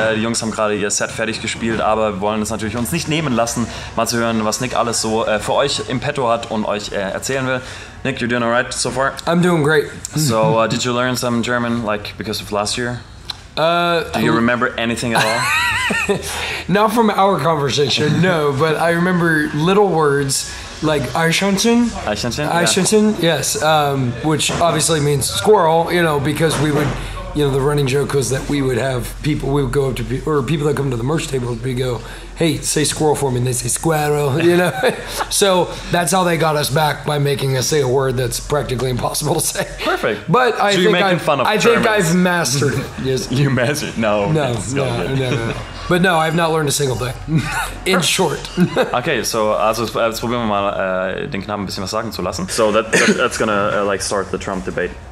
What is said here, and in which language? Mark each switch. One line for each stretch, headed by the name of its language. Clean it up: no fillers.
German: Die Jungs haben gerade ihr Set fertig gespielt, aber wir wollen es natürlich uns nicht nehmen lassen, mal zu hören, was Nick alles so für euch im Petto hat und euch erzählen will.
English: Nick, you're doing alright so far? I'm doing great. So, did you learn some German, like, because of last year? Do you remember anything at all? Not from our conversation, no, but I remember little words. Like Eichhörnchen. Eichhörnchen. Eichhörnchen, yeah. Yes. Which obviously means squirrel, you know, because we would, you know, the running joke was that we would have people, we would go up to people, or people that come to the merch table, we'd go, hey, say squirrel for me, and they say squirrel, you know? So that's how they got us back, by making us say a word that's practically impossible to say. Perfect. But I so think you're making I, fun of I think I've mastered it. Yes. You mastered it? No. But no, I've not learned a single thing. In short.
German: Okay, so also jetzt probieren wir mal den Knaben ein bisschen was sagen zu lassen.
English: So that's gonna like start the Trump debate.